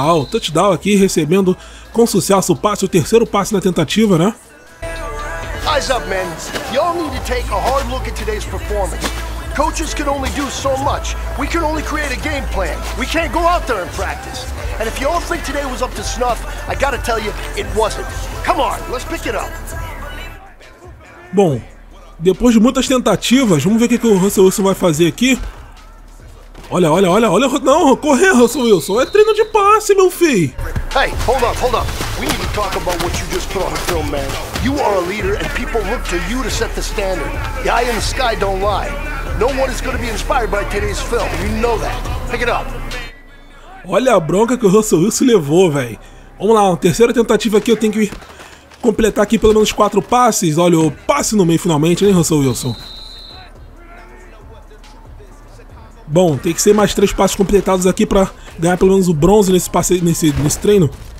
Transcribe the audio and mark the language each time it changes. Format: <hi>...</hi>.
<pt>Touchdown aqui, recebendo com sucesso o passe, o terceiro passe na tentativa, né?</pt> <en>Eyes up, men. Y'all need to take a hard look at today's performance. Coaches can only do so much. We can only create a game plan. We can't go out there and practice. And if you all think today was up to snuff, I gotta tell you, it wasn't. Come on, let's pick it up.</en> <pt>Bom, depois de muitas tentativas, vamos ver o que o Russell Wilson vai fazer aqui. Olha. Não, correr, Russell Wilson. É treino de passe, meu filho.</pt> <en>Hey, hold up. We need to talk about what you just put on film, man. You are a leader and people look to you to set the standard. The eye in the sky don't lie. No one is going to be inspired by today's film. You know that. Pick it up.</en> <pt>Olha a bronca que o Russell Wilson levou, velho. Vamos lá, uma terceira tentativa aqui, eu tenho que completar aqui pelo menos 4 passes. Olha o passe no meio finalmente, hein, Russell Wilson. Bom, tem que ser mais 3 passes completados aqui para ganhar pelo menos o bronze nesse passe, nesse treino.</pt>